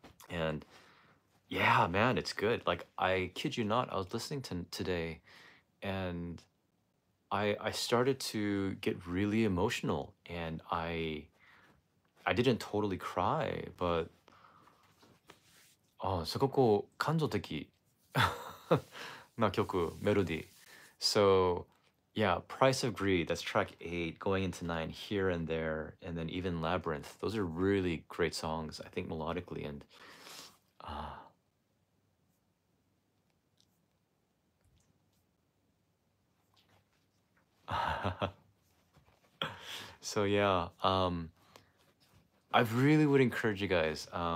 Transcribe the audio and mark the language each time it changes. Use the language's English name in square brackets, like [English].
[English] And yeah, man, it's good. Like, I kid you not, I was listening to today, and I started to get really emotional, and I didn't totally cry, but... [Japanese] Oh, すごく感情的な曲、メロディー。 [English] So, yeah, Price of Greed, that's track 8, going into 9, Here and There, and then even Labyrinth. Those are really great songs, I think, melodically. And So, yeah, I really would encourage you guys.